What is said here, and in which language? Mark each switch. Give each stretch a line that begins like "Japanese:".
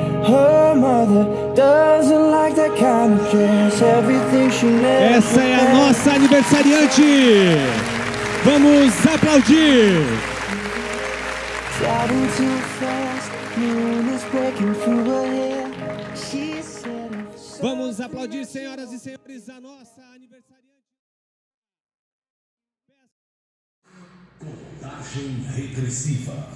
English: Her mother doesn't like that kind of dress. Everything she never.
Portuguese: Essa é a nossa aniversariante. Vamos aplaudir.
English: Driving too fast, moon is breaking through her hair. She said.
Portuguese: Vamos aplaudir, senhoras e senhores, a nossa aniversariante. Contagem regressiva.